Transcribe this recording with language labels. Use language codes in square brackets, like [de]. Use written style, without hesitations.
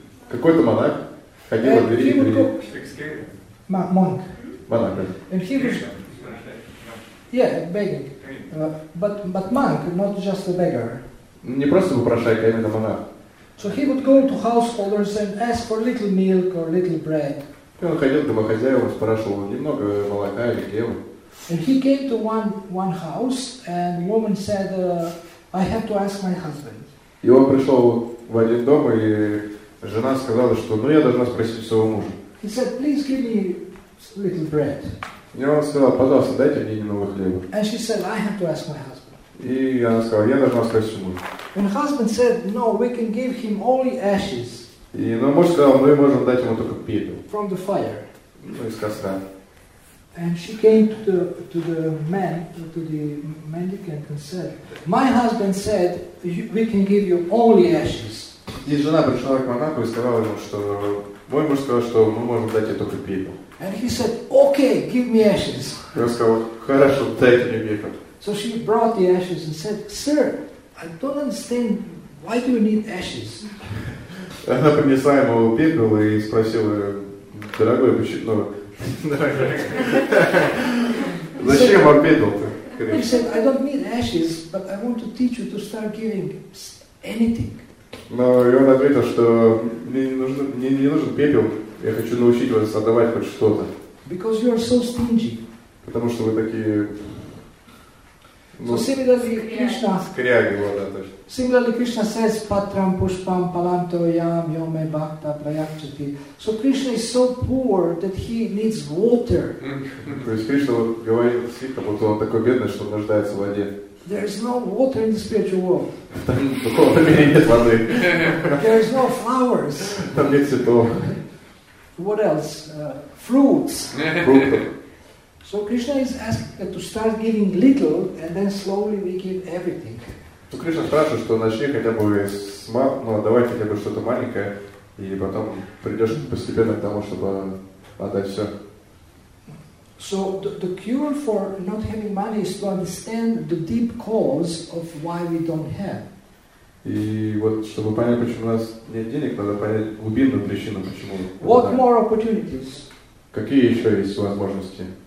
[ru] Какой-то монах ходил от двери к двери. [en] Монк. [ru] Монах, да. [en] And he was... Yeah, begging. But monk, not just a beggar. [ru] Не просто попрошайка, а именно монах. [en] So he would go to householders and ask for little milk or little bread. [ru] И он ходил к домохозяевам, спрашивал немного молока или хлеба. [en] And he came to one house, and the woman said, "I have to ask my husband." [ru] И он пришел в один дом, и жена сказала, что, ну, я должна спросить своего мужа. [en] He said, "Please give me little bread." [ru] И он сказал, пожалуйста, дайте мне немного хлеба. [en] And she said, "I have to ask my husband." [ru] И она сказала, я должна спросить своего мужа. [en] And the husband said, "No, we can give him only ashes." [ru] И муж сказал, мы можем дать ему только пепел. [en] From the fire. [ru] Ну, из костра. [en] And she came to the man, to the mendicant, and said, "My husband said we can give you only ashes." [ru] И жена пришла к монаху и сказала ему, что мой муж сказал, что мы можем дать тебе только пепел. [en] And he said, "Okay, give me ashes." [ru] Я сказал, хорошо, дайте мне пепел. [en] So she brought the ashes and said, "Sir, I don't understand. Why do you need ashes?" [ru] Она принесла ему пепел и спросила, дорогой, почему? Ну, зачем вам пепел-то? [en] He said, "I don't need ashes, but I want to teach you to start giving anything." [ru] Но и он ответил, что мне не нужен пепел, я хочу научить вас отдавать хоть что-то. [en] Because you are so stingy. [ru] Потому что вы такие. [en] Ну, so similarly, Krishna. [ru] Скряги, вот, да, точно. [en] Similarly, Krishna says, [sa] "Patram pushpam palanto yam yome bhakta prayakshati." [en] So Krishna is so poor that he needs water. [ru] То есть Кришна вот говорит стиха, будто он такой бедный, что нуждается в воде. [en] There is no water in the spiritual world. [ru] Там нет воды. [en] There is no flowers. [ru] Там нет цветов. [en] What else? Fruits. [ru] Фрукты. [en] So Krishna is asked to start giving little, and then slowly we give everything. [ru] So Krishna спрашивает, что начни хотя бы с мал, ну давай хотя бы что-то маленькое, и потом придешь постепенно к тому, чтобы отдать все. [en] So the cure for not having money is to understand the deep cause of why we don't have. [ru] И вот чтобы понять, почему у нас нет денег, надо понять глубинную причину, почему. [en] What more opportunities? [ru] Какие еще есть возможности?